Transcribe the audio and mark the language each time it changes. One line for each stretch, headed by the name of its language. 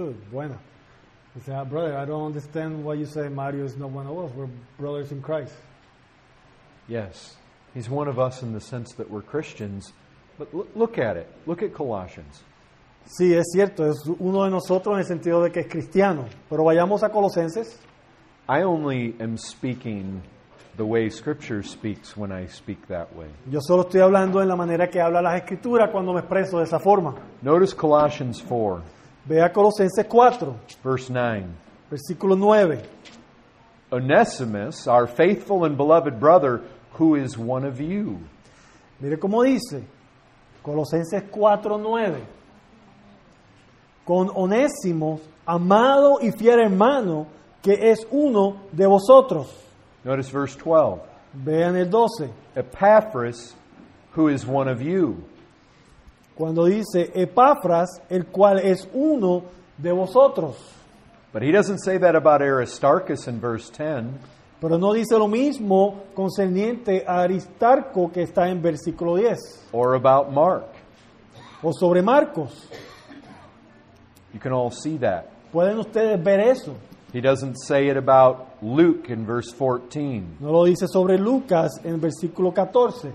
English: Bueno, he said, brother, I don't understand why you say Mario is not one of us. We're brothers in Christ. Yes, he's one of us in the sense that we're Christians. But look at it. Look at Colossians.
Spanish: Sí, es cierto. Es uno de nosotros en el sentido de que es cristiano. Pero vayamos a Colosenses.
English: I only am speaking the way Scripture speaks when I speak that way.
Spanish: Yo solo estoy hablando en la manera que habla las Escrituras cuando me expreso de esa forma.
English: Notice Colossians 4.
Spanish: Vea Colosenses 4,
English: verse 9.
Spanish: Versículo 9.
English: Onesimus, our faithful and beloved brother, who is one of you.
Spanish: Mire cómo dice, Colosenses 4, 9. Con Onésimo, amado y fiel hermano, que es uno de vosotros.
English: Notice verse 12.
Spanish: Vean el 12.
English: Epaphras, who is one of you.
Spanish: Cuando dice Epafras, el cual es uno de vosotros.
English: But he doesn't say that about Aristarchus in verse 10.
Spanish: Pero no dice lo mismo concerniente a Aristarco que está en versículo 10.
English: Or about Mark.
Spanish: O sobre Marcos.
English: You can all see that.
Spanish: Pueden ustedes ver eso.
English: He doesn't say it about Luke in verse 14.
Spanish: No lo dice sobre Lucas en versículo 14.